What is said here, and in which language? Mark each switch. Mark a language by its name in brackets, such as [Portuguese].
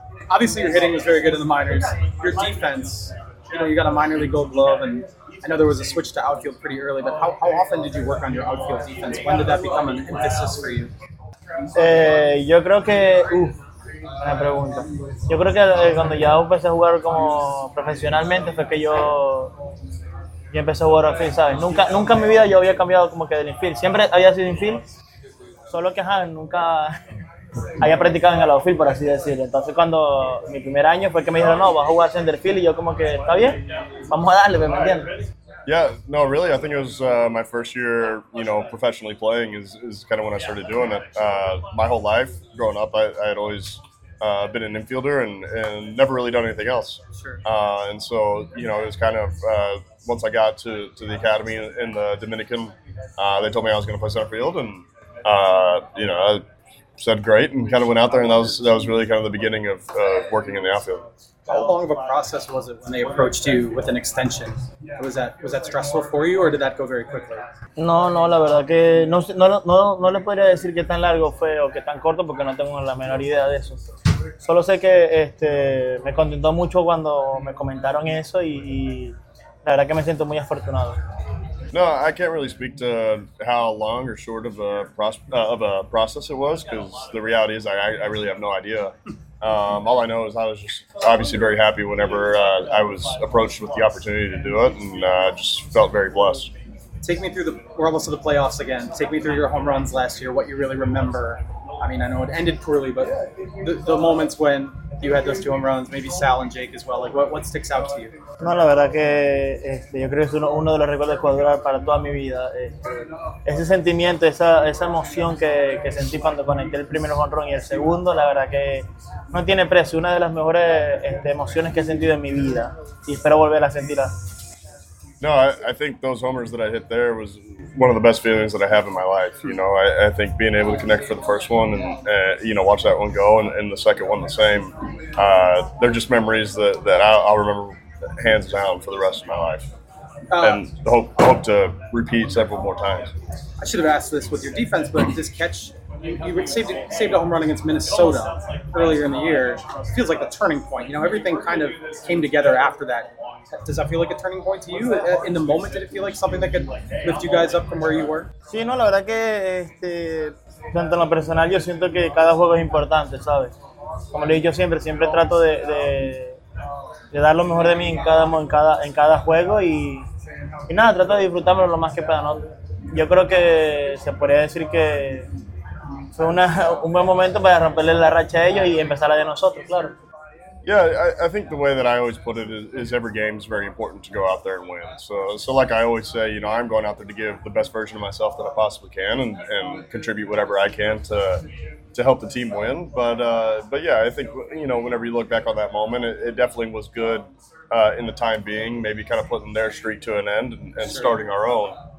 [English] Obviously, your hitting was very good in the minors. Your defense, you know, you got a minor league gold glove, and I know there was a switch to outfield pretty early, but how often did you work on your outfield defense? When did that become an emphasis for you? [Spanish] Yo creo que... Una pregunta. Yo creo que cuando ya empecé a jugar como profesionalmente fue que yo empecé a jugar a field, ¿sabes? Nunca en mi vida yo había cambiado como que del infield. Siempre había sido infield, solo que nunca había practicado en el outfield, por así decirlo. Entonces cuando mi primer año fue que me dijeron, no, vas a jugar center field, y yo como que, está bien, vamos a darle, ¿me entiendes? [English] Yeah, no, really, I think it was my first year, you know, professionally playing is kind of when I started doing it. My whole life growing up, I had always been an infielder and never really done anything else. And so, you know, it was kind of once I got to the academy in the Dominican, they told me I was going to play center field. And, you know, I said great and kind of went out there. And that was really kind of the beginning of working in the outfield. How long of a process was it when they approached you with an extension? Was that stressful for you, or did that go very quickly? [Spanish] No, la verdad que no le podría decir qué tan largo fue o qué tan corto porque no tengo la menor idea de eso. Solo sé que me contentó mucho cuando me comentaron eso y la verdad que me siento muy afortunado. [English] No, I can't really speak to how long or short of a process it was, because the reality is I really have no idea. All I know is I was just obviously very happy whenever I was approached with the opportunity to do it, and just felt very blessed. Take me through we're almost to the playoffs again. Take me through your home runs last year, what you really remember. I mean, I know it ended poorly, but the moments when you had those two home runs, maybe Sal and Jake as well, like what sticks out to you? [Spanish] No, la verdad que yo creo que es uno de los recuerdos cuadrados para toda mi vida. Ese sentimiento, esa emoción que sentí cuando conecté el primer home run y el segundo, la verdad que no tiene precio. Una de las mejores emociones que he sentido en mi vida y espero volver a sentirla. [English] No, I think those homers that I hit there was one of the best feelings that I have in my life. You know, I think being able to connect for the first one and, you know, watch that one go and the second one the same, they're just memories that I'll remember hands down for the rest of my life. And hope to repeat several more times. I should have asked this with your defense, but this catch, you saved a home run against Minnesota earlier in the year. It feels like a turning point. You know, everything kind of came together after that. Does that feel like a turning point to you? In the moment, did it feel like something that could lift you guys up from where you were? [Spanish] Sí, no, la verdad que tanto en lo personal, yo siento que cada juego es importante, ¿sabes? Como le digo siempre trato de dar lo mejor de mí en cada juego y nada, trato de disfrutarlo lo más que pueda, ¿no? Yo creo que se podría decir que fue un buen momento para romperle la racha a ellos y empezar la de nosotros, claro. [English] Yeah, I think the way that I always put it is every game is very important to go out there and win. So like I always say, you know, I'm going out there to give the best version of myself that I possibly can and contribute whatever I can to help the team win. But yeah, I think, you know, whenever you look back on that moment, it definitely was good in the time being, maybe kind of putting their streak to an end and starting our own.